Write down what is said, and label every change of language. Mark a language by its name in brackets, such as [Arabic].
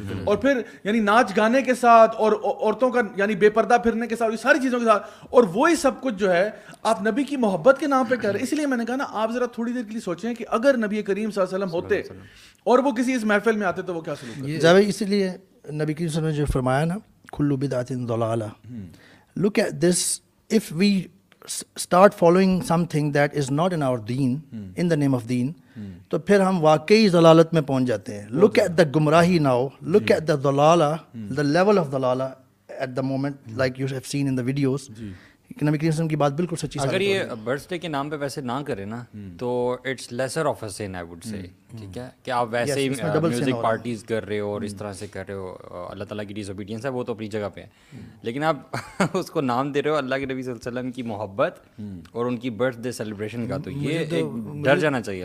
[Urdu] اور پھر یعنی ناچ گانے کے ساتھ اور عورتوں کا یعنی بے پردہ پھرنے کے ساتھ, یہ ساری چیزوں کے ساتھ, اور وہی سب کچھ جو ہے آپ نبی کی محبت کے نام پہ کر رہے ہیں. اس لیے میں نے کہا نا آپ ذرا تھوڑی دیر کے لیے سوچیں کہ اگر نبی کریم صلی اللہ علیہ وسلم ہوتے اور وہ کسی اس محفل میں آتے تو وہ کیا سلوک کرتے. اسی لیے نبی کریم صلی اللہ علیہ وسلم نے جو فرمایا نا [Arabic] کلو بدعت ضلالہ, [English] look at this, if we start following something that is not in our deen, in the name of deen, [Urdu] تو پھر ہم واقعی ضلالت میں پہنچ جاتے ہیں. [English] Look at the gumrahi now, look at the dalala, the level of dalala at the moment, like you have seen in the videos. [Urdu] نبی کریم صلی اللہ علیہ وسلم کی بات بالکل سچی. اگر یہ برتھ ڈے کے نام پہ ویسے نہ کرے نا تو [English] it's lesser of a sin, I would say, [Urdu] ٹھیک ہے, کہ آپ ویسے میوزک پارٹیز کر رہے ہو اور اس طرح سے کر رہے ہو, اللہ تعالیٰ کی ڈس اوبیڈینس ہے وہ تو اپنی جگہ پہ ہے, لیکن آپ اس کو نام دے رہے ہو اللہ کے نبی صلی اللہ علیہ وسلم کی محبت اور ان کی برتھ ڈے سیلیبریشن کا, تو یہ ڈر جانا چاہیے.